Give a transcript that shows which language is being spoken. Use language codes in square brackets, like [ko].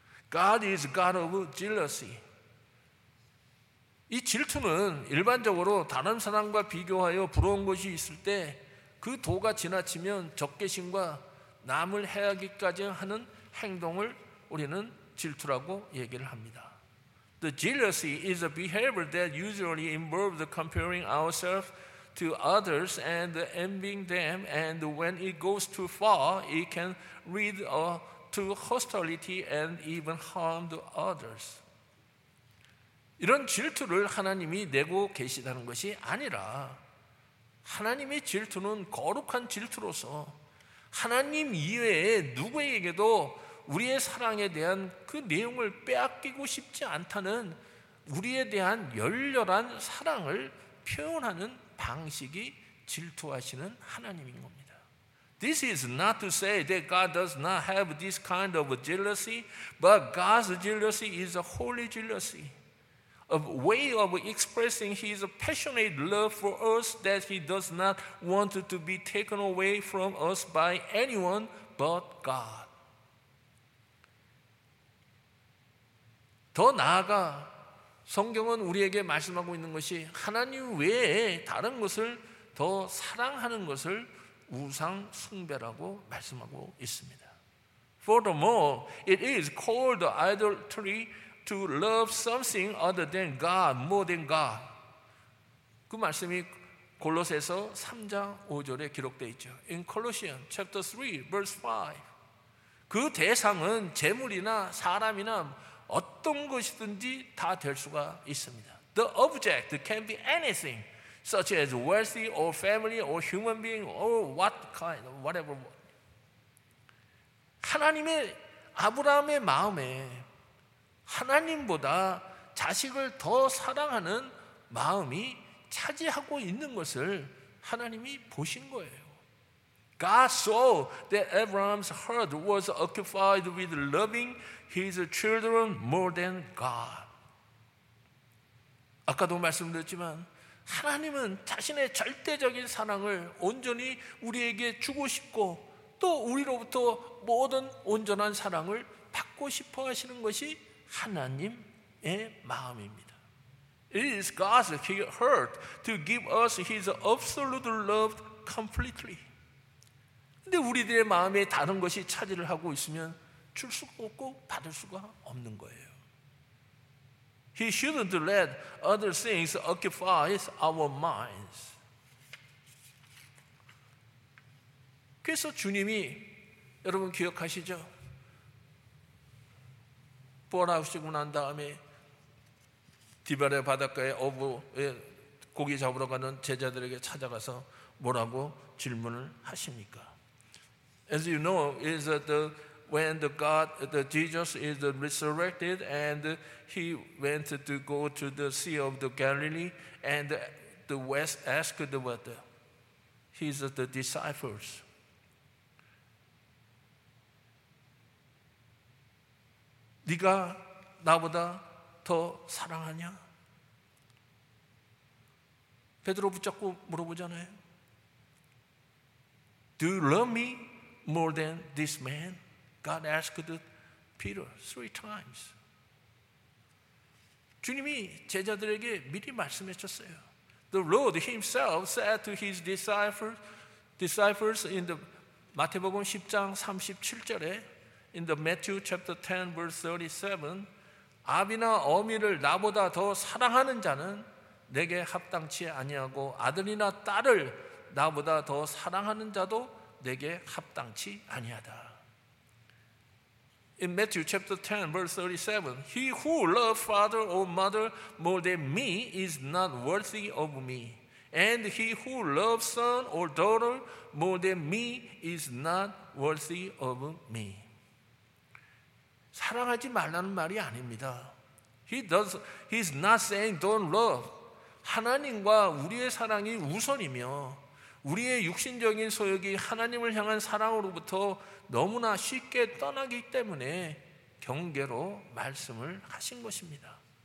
[en] God is God of jealousy. [ko] 이 질투는 일반적으로 다른 사람과 비교하여 부러운 것이 있을 때 그 도가 지나치면 적개심과 남을 해하기까지 하는 행동을 우리는 질투라고 얘기를 합니다. [en] The jealousy is a behavior that usually involves comparing ourselves to others and envying them and when it goes too far, it can lead to hostility and even harm the others. [ko] 이런 질투를 하나님이 내고 계시다는 것이 아니라 하나님의 질투는 거룩한 질투로서 하나님 이외에 누구에게도 우리의 사랑에 대한 그 내용을 빼앗기고 싶지 않다는 우리에 대한 열렬한 사랑을 표현하는 방식이 질투하시는 하나님인 겁니다. [en] This is not to say that God does not have this kind of jealousy, but God's jealousy is a holy jealousy. A way of expressing his passionate love for us that he does not want to be taken away from us by anyone but God. [ko] 더 나아가 성경은 우리에게 말씀하고 있는 것이 하나님 외에 다른 것을 더 사랑하는 것을 우상 숭배라고 말씀하고 있습니다. [en] Furthermore, it is called idolatry to love something other than God, more than God. [ko] 그 말씀이 골로새서 3장 5절에 기록되어 있죠. [en] In Colossians chapter 3 verse 5. [ko] 그 대상은 재물이나 사람이나 어떤 것이든지 다 될 수가 있습니다. [en] The object can be anything such as wealthy or family or human being or what kind of whatever. [ko] 하나님의 아브라함의 마음에 하나님보다 자식을 더 사랑하는 마음이 차지하고 있는 것을 하나님이 보신 거예요. [en] God saw that Abraham's heart was occupied with loving his children more than God. [ko] 아까도 말씀드렸지만 하나님은 자신의 절대적인 사랑을 온전히 우리에게 주고 싶고 또 우리로부터 모든 온전한 사랑을 받고 싶어 하시는 것이 하나님의 마음입니다. [en] It is God's heart to give us his absolute love completely. [ko] 근데 우리들의 마음에 다른 것이 차지를 하고 있으면 줄 수가 없고 받을 수가 없는 거예요. [en] He shouldn't let other things occupy our minds. [ko] 그래서 주님이 여러분 기억하시죠? 부활하시고 난 다음에 디바레 바닷가에 어부의 고기 잡으러 가는 제자들에게 찾아가서 뭐라고 질문을 하십니까? [en] As you know, is that the when the God, the Jesus is resurrected and he went to go to the Sea of the Galilee and the West asked what his the disciples. [ko] 네가 나보다 더 사랑하냐? 베드로 붙잡고 물어보잖아요. [en] Do you love me more than this man? God asked Peter three times. [ko] 주님이 제자들에게 미리 말씀하셨어요. [en] The Lord himself said to his disciples in the [ko] 마태복음 10장 37절에 [en] In the Matthew chapter 10 verse 37, [ko] 아비나 어미를 나보다 더 사랑하는 자는 내게 합당치 아니하고 아들이나 딸을 나보다 더 사랑하는 자도 내게 합당치 아니하다. [en] In Matthew chapter 10 verse 37, he who loves father or mother more than me is not worthy of me. And he who loves son or daughter more than me is not worthy of me. [ko] 사랑하지 말라는 말이 아닙니다. [en] He's not saying don't love. [ko] 하나님과 우리의 사랑이 우선이며 우리의 육신적인 소욕이 하나님을 향한 사랑으로부터 너무나 쉽게 떠나기 때문에 경계로 말씀을 하신 것입니다.